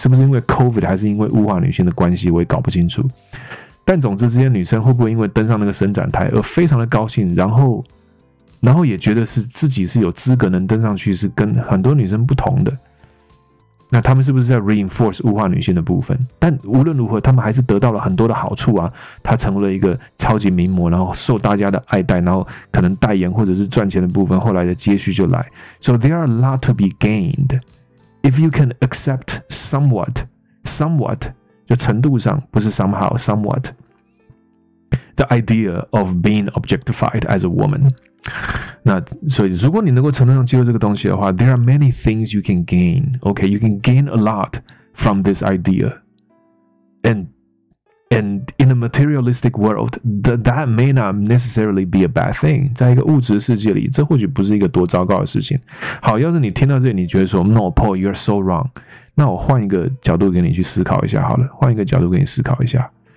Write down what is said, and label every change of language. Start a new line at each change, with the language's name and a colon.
Chinese: 是不是因为 COVID 还是因为物化女性的关系？我也搞不清楚。但总之，这些女生会不会因为登上那个伸展台而非常的高兴，然后也觉得是自己是有资格能登上去，是跟很多女生不同的？那他们是不是在 reinforce 物化女性的部分？但无论如何，他们还是得到了很多的好处啊。他成了一个超级名模，然后受大家的爱戴，然后可能代言或者是赚钱的部分，后来的接续就来。
English: So there are a lot to be gained if you can accept somewhat,
Chinese: 就程度上，不是
English: somehow, somewhat, the idea of being objectified as a woman.
Chinese: 那所以如果你能够程度上接受这个东西的话，
English: There are many things you can gain. Okay, you can gain a lot from this idea. And in a materialistic world, that may not necessarily be a bad thing.
Chinese: 在一个物质世界里，这或许不是一个多糟糕的事情。好，要是你听到这里你觉得说
English: No, Paul, you're so wrong.
Chinese: 那我换一个角度给你去思考一下好了，换一个角度给你思考一下。